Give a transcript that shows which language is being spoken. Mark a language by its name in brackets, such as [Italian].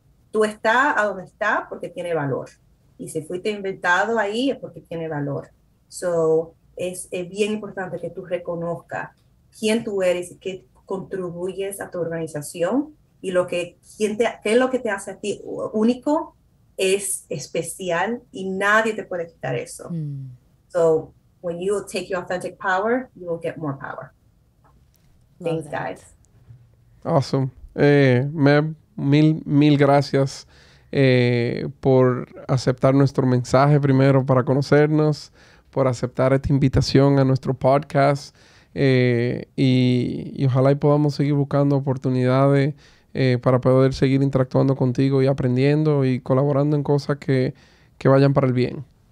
[Spanish] Tú estás a donde estás porque tiene valor. Y si fuiste inventado ahí es porque tiene valor. So, es bien importante que tú reconozcas quién tú eres y qué contribuyes a tu organización y qué es lo que te hace a ti único, es especial y nadie te puede quitar eso. [English] So, when you take your authentic power, you will get more power. Thanks, guys. Awesome. [Spanish] Meb, mil gracias por aceptar nuestro mensaje primero para conocernos, por aceptar esta invitación a nuestro podcast. Y ojalá y podamos seguir buscando oportunidades para poder seguir interactuando contigo y aprendiendo y colaborando en cosas que vayan para el bien.